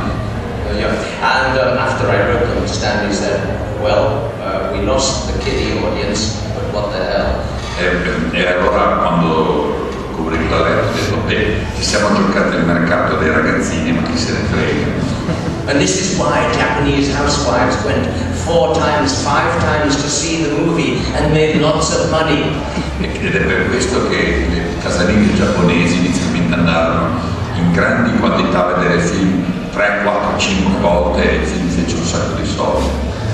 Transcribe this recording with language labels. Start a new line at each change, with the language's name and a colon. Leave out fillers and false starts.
English: And after I wrote them, Stanley said, well, we lost the kiddie audience. What the hell?
Italian: E allora quando Kubrick l'ha letto ha detto beh, ci siamo giocati il mercato dei ragazzini ma chi se ne frega.
English: And this is why Japanese housewives went four times, five times to see the movie and made lots of money.
Italian: Ed è per questo che le casalinghe giapponesi inizialmente andarono in grandi quantità a vedere film 3, 4, 5 volte e il film fece un sacco di soldi.